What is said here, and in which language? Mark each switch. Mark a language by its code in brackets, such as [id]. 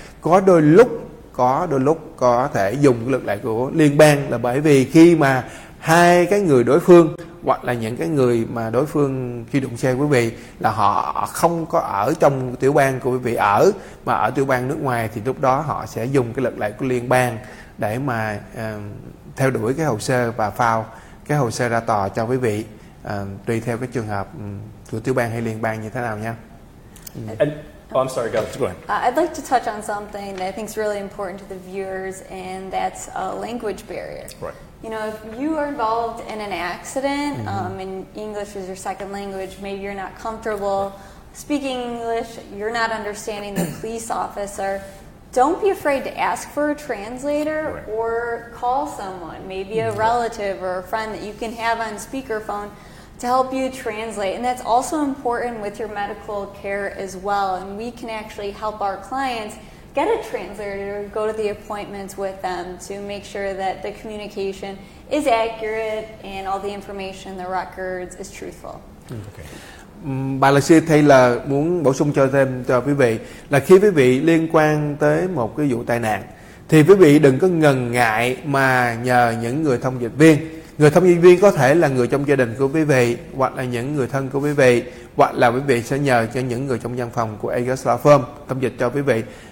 [vi] Có đôi lúc có thể dùng cái luật lệ của liên bang là bởi vì khi mà hai cái người đối phương hoặc là những cái người mà đối phương khi đụng xe quý vị là họ không có ở trong tiểu bang của quý vị ở, mà ở tiểu bang nước ngoài, thì lúc đó họ sẽ dùng cái luật lệ của liên bang để mà theo đuổi cái hồ sơ và file cái hồ sơ ra tòa cho quý vị, tùy theo cái trường hợp của tiểu bang hay liên bang như thế nào nha. [en] I'm sorry, go ahead. I'd like to touch on something that I think is really important to the viewers, and that's a language barrier. Right. You know, if you are involved in an accident, and English is your second language, maybe you're not comfortable speaking English, you're not understanding the police officer, don't be afraid to ask for a translator or call someone, maybe a relative or a friend that you can have on speakerphone to help you translate. And that's also important with your medical care as well. And we can actually help our clients get a translator, go to the appointments with them to make sure that the communication is accurate and all the information, the records, is truthful. Okay. [vi] Bà luật sư thấy là muốn bổ sung cho thêm cho quý vị là khi quý vị liên quan tới một cái vụ tai nạn thì quý vị đừng có ngần ngại mà nhờ những người thông dịch viên. Người thông dịch viên có thể là người trong gia đình của quý vị, hoặc là những người thân của quý vị, hoặc là quý vị sẽ nhờ cho những người trong văn phòng của Agruss Law Firm thông dịch cho quý vị.